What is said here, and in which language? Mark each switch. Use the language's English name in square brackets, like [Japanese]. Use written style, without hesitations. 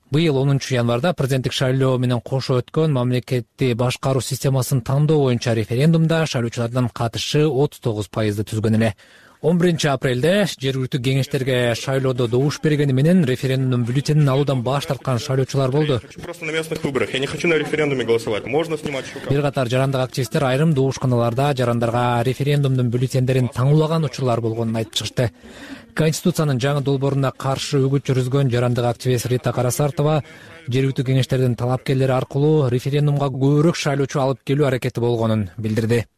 [Kyrgyz] Быйыл 10-январда президенттик шайлоо менен кошо өткөн мамлекетти башкаруу системасын тандоо боюнча референдумда шайлоочулардын катышы 39% түзгөн эле. 11-апрелде жергиликтүү кеңештерге шайлоодо добуш бергени менен референдумдун бюллетенин алуудан баш тарткан шайлоочулар болду. [Russian] Просто на местных выборах. Я не хочу на референдуме голосовать. Можно снимать шука. [Kyrgyz] Бир катар жарандык активисттер айрым добушканаларда жарандарга референдумдун бюллетендерин таңуулаган учурлар болгонун айтып чыгышты. Конституциянын жаңы долбооруна каршы үгүт жүргүзгөн жарандык активист Рита Карасартова жергиликтүү кеңештердин талапкерлери аркылуу референдумга көбүрөөк шайлоочу алып келүү аракети болгонун билдирди.